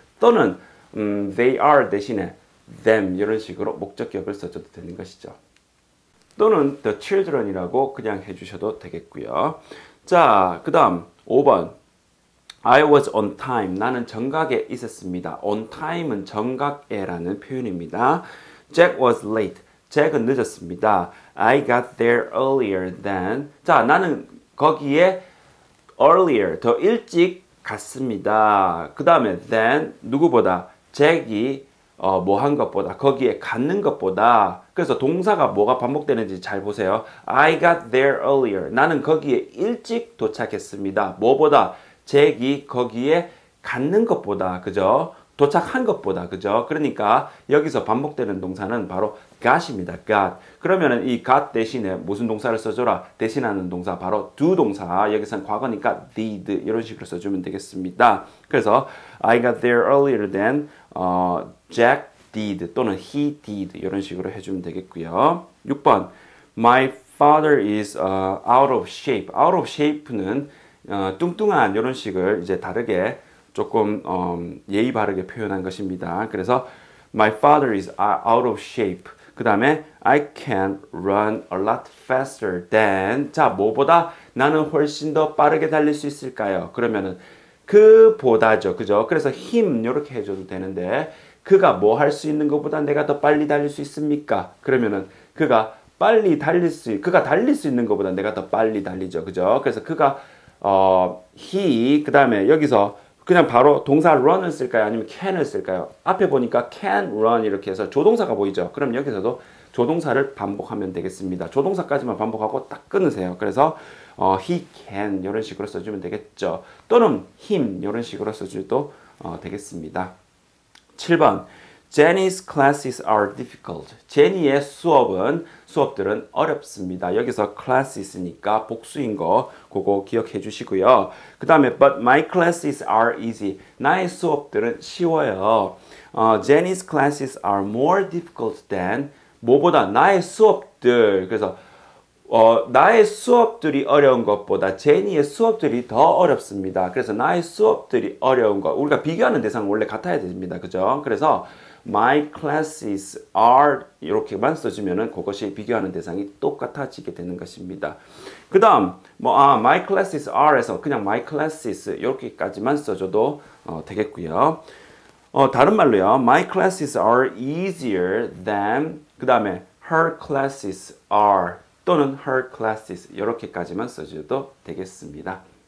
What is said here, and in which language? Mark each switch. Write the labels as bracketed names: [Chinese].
[Korean] 또는 [English] they are [Korean] 대신에 them 이런 식으로 목적격을 써줘도 되는 것이죠. 또는 the children이라고 그냥 해주셔도 되겠고요. 자, 그다음 5번. [English] I was on time. [Korean] 나는 정각에 있었습니다. On time은 정각에라는 표현입니다. [English] Jack was late. [Korean] 제가 늦었습니다. [English] I got there earlier than. [Korean] 자, 나는 거기에 earlier, 더 일찍 갔습니다. 그 다음에 than, 누구보다, 잭이 뭐 한 것보다, 거기에 갔는 것보다. 그래서 동사가 뭐가 반복되는지 잘 보세요. [English] I got there earlier. [Korean] 나는 거기에 일찍 도착했습니다. 뭐보다, 잭이 거기에 갔는 것보다, 그죠? 도착한 것보다, 그죠? 그러니까 여기서 반복되는 동사는 바로 got입니다. got. 그러면은 이 got 대신에 무슨 동사를 써줘라? 대신하는 동사 바로 do 동사. 여기서는 과거니까 did. 이런 식으로 써주면 되겠습니다. 그래서 [English] I got there earlier than Jack did [Korean] 또는 [English] he did. [Korean] 이런 식으로 해주면 되겠고요. 6번. [English] My father is out of shape. [Korean] out of shape는 뚱뚱한 이런 식을 이제 다르게 조금 예의 바르게 표현한 것입니다. 그래서 [English] My father is out of shape. [Korean] 그 다음에 [English] I can run a lot faster than [Korean] 자, 뭐보다 나는 훨씬 더 빠르게 달릴 수 있을까요? 그러면은 그 보다죠. 그죠? 그래서 him 이렇게 해줘도 되는데 그가 뭐 할 수 있는 것보다 내가 더 빨리 달릴 수 있습니까? 그러면은 그가 빨리 달릴 수 그가 달릴 수 있는 것보다 내가 더 빨리 달리죠. 그죠? 그래서 그가 he 그 다음에 여기서 그냥 바로 동사 run을 쓸까요? 아니면 can을 쓸까요? 앞에 보니까 can run 이렇게 해서 조동사가 보이죠? 그럼 여기서도 조동사를 반복하면 되겠습니다. 조동사까지만 반복하고 딱 끊으세요. 그래서 [English] he can [Korean] 이런 식으로 써주면 되겠죠. 또는 him 이런 식으로 써주도 되겠습니다. 7번 [English] Jenny's classes are difficult. [Korean] 제니의 수업들은 어렵습니다. 여기서 classes니까 복수인 거 그거 기억해 주시고요. 그 다음에 [English] but my classes are easy. [Korean] 나의 수업들은 쉬워요. [English] Jenny's classes are more difficult than [Korean] 뭐보다 나의 수업들 그래서 나의 수업들이 어려운 것보다 제니의 수업들이 더 어렵습니다. 그래서 나의 수업들이 어려운 거 우리가 비교하는 대상은 원래 같아야 됩니다. 그죠? 그래서 [English] My classes are [Korean] 이렇게만 써주면은 그것이 비교하는 대상이 똑같아지게 되는 것입니다. 그 다음 My classes are에서 그냥 My classes 이렇게까지만 써줘도 되겠고요. 다른 말로요. [English] My classes are easier than [Korean] 그 다음에 [English] her classes are [Korean] 또는 [English] her classes [Korean] 이렇게까지만 써줘도 되겠습니다.